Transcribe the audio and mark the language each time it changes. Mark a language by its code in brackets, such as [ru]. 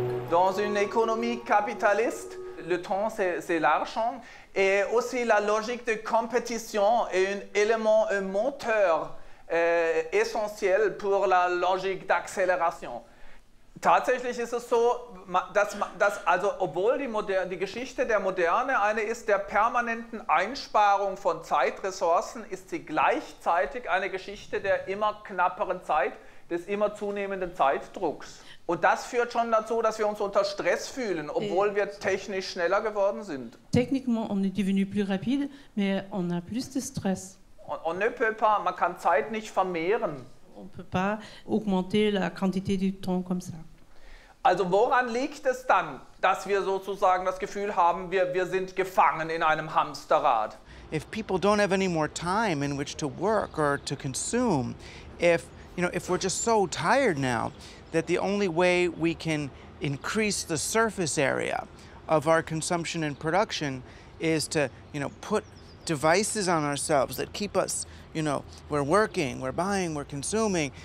[fr] Dans une économie capitaliste, le temps c'est l'argent et aussi la logique de compétition est un élément, un moteur essentiel pour la logique d'accélération. [de] Tatsächlich ist es so, dass also obwohl die Geschichte der Moderne eine ist der permanenten Einsparung von Zeitressourcen, ist sie gleichzeitig eine Geschichte der immer knapperen Zeit, des immer zunehmenden Zeitdrucks. Und das führt schon dazu, dass wir uns unter Stress fühlen, obwohl wir technisch schneller geworden sind. [fr] Techniquement, on est devenu plus rapide, mais on a plus de stress. On ne peut pas, [de] man kann Zeit nicht vermehren. [fr] On ne peut pas augmenter la quantité du temps comme ça. [de] Also woran liegt es dann, dass wir sozusagen das Gefühl haben, wir sind gefangen in einem Hamsterrad? [en] If people don't have any more time in which to work or to consume, if, you know, if we're just so tired now, that the only way we can increase the surface area of our consumption and production is to, you know, put devices on ourselves that keep us, you know, we're working, we're buying, we're consuming.